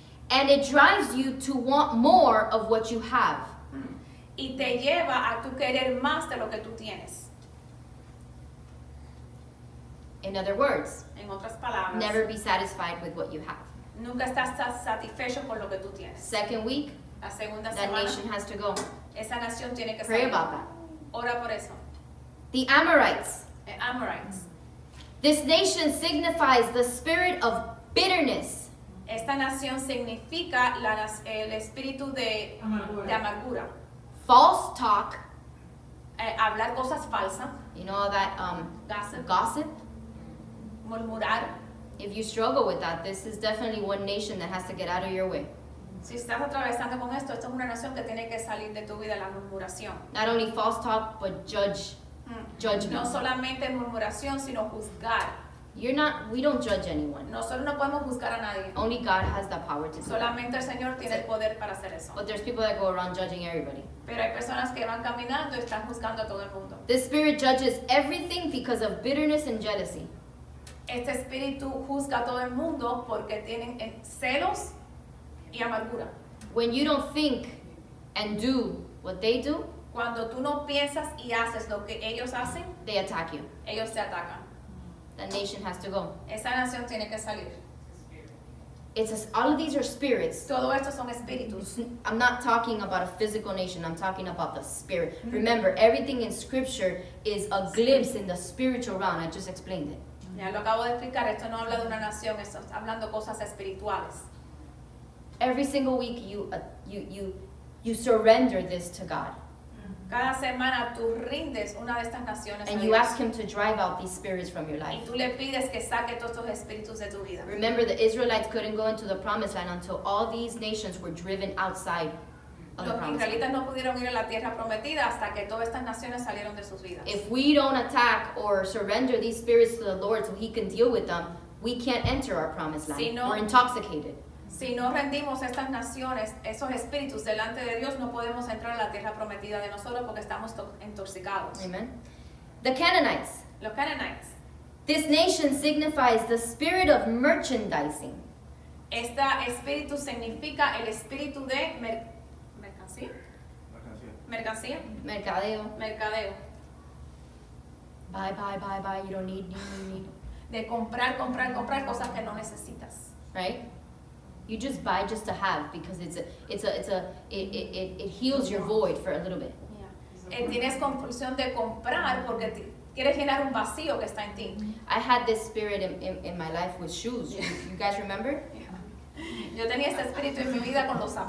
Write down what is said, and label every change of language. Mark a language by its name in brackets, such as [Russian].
[English] And it drives you to want more of what you have. [Spanish] Y te lleva a tu querer más de lo que tú tienes. [English] In other words, [Spanish] en otras palabras, [English] never be satisfied with what you have. [Spanish] Nunca estás satisfecho con lo que tú tienes. [English] Second week, [Spanish] la segunda [English] that [Spanish] semana, [English] nation has to go. [Spanish] Esa nación tiene que [English] pray About that. [Spanish] Ora por eso. [English] The Amorites. [Spanish] Amorites. [English] This nation signifies the spirit of bitterness. [Spanish] Esta nación significa el espíritu de amargura. [English] False talk. [Spanish] Hablar cosas falsas. [English] You know that gossip. Gossip. [Spanish] Murmurar. [English] If you struggle with that, this is definitely one nation that has to get out of your way. [Spanish] Si estás atravesando con esto, esta es una nación que tiene que salir de tu vida, la murmuración. [English] Not only false talk, but judge. Judgment. [Spanish] No solamente murmuración, sino juzgar. [English] You're not, we don't judge anyone. [Spanish] Nosotros no podemos juzgar a nadie. [English] Only God has the power to do [Spanish] solamente [English] that. [Spanish] El Señor tiene el poder para hacer eso. [English] But there's people that go around judging everybody. [Spanish] Pero hay personas que van caminando y están juzgando a todo el mundo. [English] This spirit judges everything because of bitterness and jealousy. [Spanish] Este espíritu juzga a todo el mundo porque tienen celos y amargura. [English] When you don't think and do what they do, [Spanish] cuando tú no piensas y haces lo que ellos hacen, [English] they attack you. [Spanish] Ellos te atacan. [English] The nation has to go. [Spanish] Esa nación tiene que salir. [English] All of these are spirits. [Spanish] Todo esto son espíritus. [English] I'm not talking about a physical nation. I'm talking about the spirit. Mm-hmm. Remember, everything in scripture is a glimpse in the spiritual realm. I just explained it. [Spanish] Ya lo acabo de explicar. Esto no habla de una nación. Esto está hablando cosas espirituales. [English] Every single week you surrender this to God. [Spanish] Cada semana tú rindes una de estas naciones. [English] And you ask him to drive out these spirits from your life. [Spanish] Y tú le pides que saque todos estos espíritus de tu vida. [English] Remember, the Israelites couldn't go into the promised land until all these nations were driven outside of the promised land. [Spanish] Los israelitas no pudieron ir a la tierra prometida hasta que todas estas naciones salieron de sus vidas. [English] If we don't attack or surrender these spirits to the Lord so he can deal with them, we can't enter our promised land. [Spanish] Si no, [English] we're intoxicated. [Spanish] Si no rendimos estas naciones, esos espíritus delante de Dios, no podemos entrar a la tierra prometida de nosotros porque estamos intoxicados. [English] Amen. The Canaanites. [Spanish] Los Canaanites. [English] This nation signifies the spirit of merchandising. [Spanish] Este espíritu significa el espíritu de mercancía. Mercancía. Mercadeo. Mercadeo. [English] Buy, buy, buy, buy. You don't need, you don't need. [Spanish] De comprar, comprar, comprar cosas que no necesitas. [English] Right? You just buy just to have because it heals your void for a little bit. Yeah. [Spanish] Tienes compulsión de comprar porque quieres llenar un vacío que está en ti. [English] I had this spirit in my life with shoes. You guys remember? [Spanish] Yo tenía este espíritu en mi vida con los zapatos.